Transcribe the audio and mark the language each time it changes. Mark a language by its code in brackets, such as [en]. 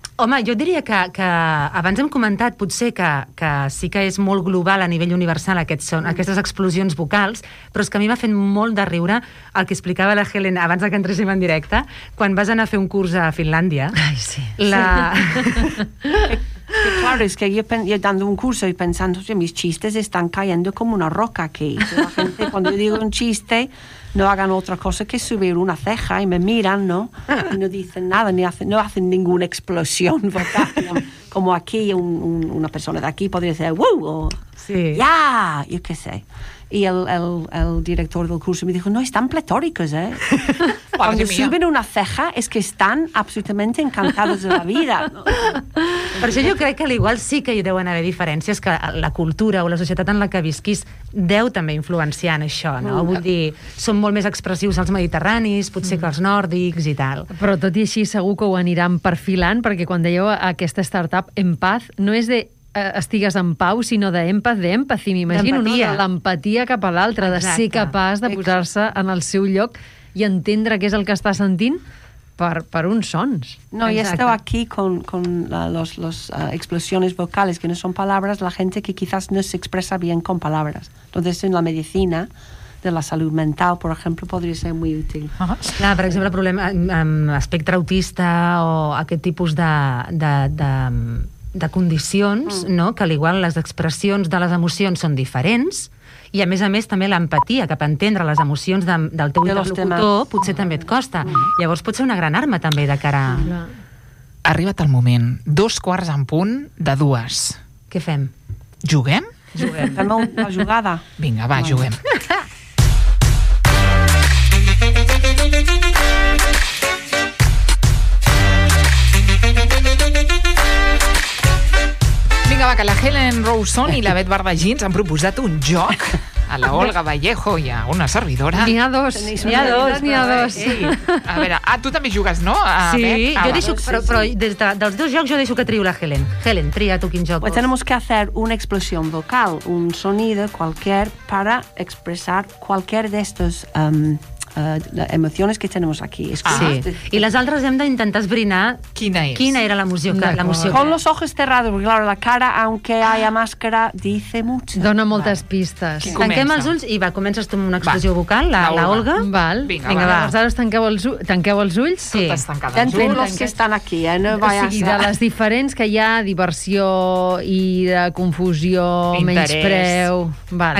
[ca] Home, jo diria que abans hem comentat potser que sí que és molt global a nivell universal aquestes explosions vocals, però és que a mi m'ha fet molt de riure el que explicava la Helen abans que entréssim en directe, quan vas anar a fer un curs a Finlàndia. Ai, sí. La... Sí. [es] Claro, es que yo dando un curso y pensando, oye, mis chistes están cayendo como una roca aquí. La gente, cuando yo digo un chiste, no hagan otra cosa que subir una ceja y me miran, ¿no? Y no dicen nada, no hacen ninguna explosión vocal. Como aquí, una persona de aquí podría decir, ¡wow! O sí. ¡Ya! Yeah, yo qué sé. Y el director del curso me dijo, no, están pletóricos, ¿eh? Cuando suben una ceja es que están absolutamente encantados de la vida, ¿no? [ca] Per això jo crec que igual sí que hi deuen haver diferències, que la cultura o la societat en la que visquis deu també influenciar en això, no? Vull dir, són molt més expressius els mediterranis, potser que els nòrdics i tal. Però tot i així segur que ho aniran perfilant, perquè quan dèieu aquesta startup Empath, no és de estigues en pau, sinó d'empathy, m'imagino, no? L'empatia cap a l'altre, de ser capaç de posar-se en el seu lloc i entendre què és el que està sentint. Per uns sons. No, exacte. [es] Y esto aquí con las explosiones vocales, que no son palabras, la gente que quizás no se expresa bien con palabras. Entonces, en la medicina de la salud mental, por ejemplo, podría ser muy útil. Uh-huh. [ca] Clar, per exemple, el problema amb espectre autista o aquest tipus de condicions, no? Que al igual les expressions de les emocions són diferents... I, a més, també l'empatia cap a entendre les emocions del teu interlocutor potser també et costa. Llavors, pot ser una gran arma, també, de cara... Ha arribat el moment. 2:15 en punt de 2. Què fem? Juguem? Juguem. Fem una jugada. Vinga, va, juguem. Vinga, va, que la Helen Rousson i la Bet Bardagins han proposat un joc a la Olga Vallejo i a una servidora. N'hi ha dos. N'hi ha dos. A veure, tu també jugues, no? Sí, jo deixo, dels dos jocs jo deixo que triu la Helen. Helen, tria tu quin joc. [es] Pues tenemos que hacer una explosión vocal, un sonido cualquier para expresar cualquier de estos emociones que tenemos aquí. Es que sí. Y las otras [ca] hem d'intentar esbrinar quina era la emoció. [es] Con los ojos cerrados, claro, la cara, aunque haya máscara, dice mucho. [ca] Dona moltes pistes. Tanquem els ulls i va, comences tu amb una expressió vocal, la Olga. Val. Vinga, va. Llavors ara us tanqueu els ulls. Sí. Totes tancades. Tenim els que estan aquí, eh? No vaig a ser. De les diferents que hi ha, diversió, ira, confusió, menyspreu... Val.